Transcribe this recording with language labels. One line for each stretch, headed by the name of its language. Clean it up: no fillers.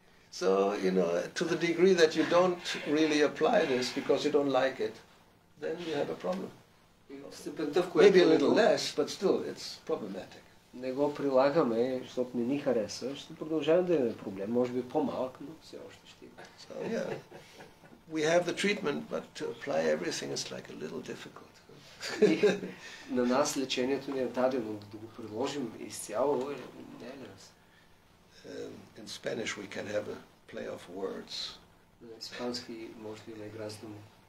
English: So, you know, to the degree that you don't really apply this because you don't like it, then you have a problem. Maybe a little less, but still, it's problematic.
Bulgarian: Не го прилагаме, защото не ни хареса, ще продължаваме да имаме проблем. Може би по-малък, но все още ще има.
English: So, yeah. We have the treatment, but to apply everything is like a little difficult.
Bulgarian: На нас лечението ни е дадено, да го приложим изцяло, не е лесно.
English: In Spanish we can have a play of words.
Bulgarian: испански може би е гражданин.